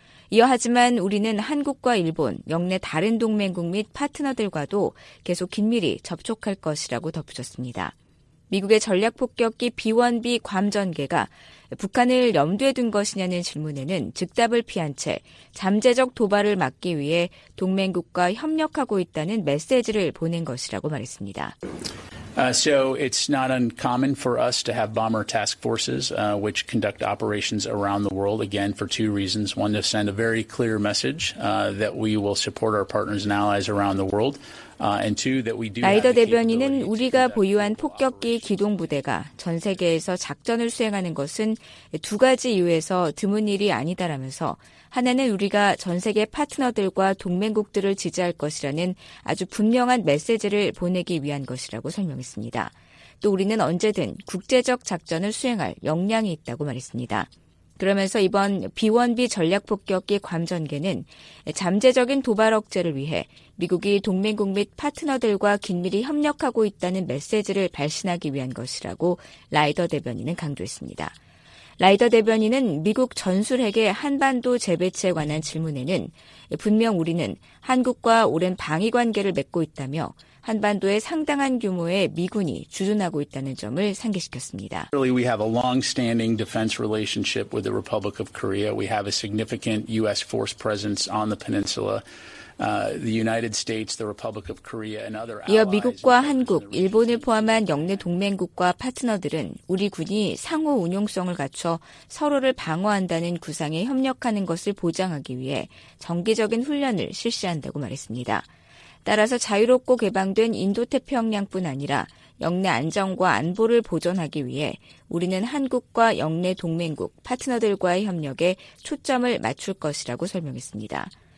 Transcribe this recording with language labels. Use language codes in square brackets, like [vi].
[ko] 이어 하지만 우리는 한국과 일본, 영내 다른 동맹국 및 파트너들과도 계속 긴밀히 접촉할 것이라고 덧붙였습니다. 미국의 전략폭격기 B-1B 괌 전개가 북한을 염두에 둔 것이냐는 질문에는 즉답을 피한 채 잠재적 도발을 막기 위해 동맹국과 협력하고 있다는 메시지를 보낸 것이라고 말했습니다. [en] So it's not uncommon for us to have bomber task forces which conduct operations around the world again for two reasons. One, to send a very clear message that we will support our partners and allies around the world. And two, that we do. [ko] 라이더 대변인은 우리가 보유한 폭격기 기동 부대가 전 세계에서 작전을 수행하는 것은 두 가지 이유에서 드문 일이 아니다라면서 하나는 우리가 전 세계 파트너들과 동맹국들을 지지할 것이라는 아주 분명한 메시지를 보내기 위한 것이라고 설명했습니다. 또 우리는 언제든 국제적 작전을 수행할 역량이 있다고 말했습니다. 그러면서 이번 B-1B 전략폭격기 괌 전개는 잠재적인 도발 억제를 위해 미국이 동맹국 및 파트너들과 긴밀히 협력하고 있다는 메시지를 발신하기 위한 것이라고 라이더 대변인은 강조했습니다. 라이더 대변인은 미국 전술핵의 한반도 재배치에 관한 질문에는 분명 우리는 한국과 오랜 방위 관계를 맺고 있다며 한반도에 상당한 규모의 미군이 주둔하고 있다는 점을 상기시켰습니다. [en] We have a long-standing defense relationship with the Republic of Korea. We have a significant U.S. force presence on the peninsula. The United States, the Republic of Korea, and other allies. [ko] 이어 미국과 한국, 일본을 포함한 영내 동맹국과 파트너들은 우리 군이 상호 운용성을 갖춰 서로를 방어한다는 구상에 협력하는 것을 보장하기 위해 정기적인 훈련을 실시한다고 말했습니다. 따라서 자유롭고 개방된 인도태평양뿐 아니라 영내 안정과 안보를 보존하기 위해 우리는 한국과 영내 동맹국, 파트너들과의 협력에 초점을 맞출 것이라고 설명했습니다.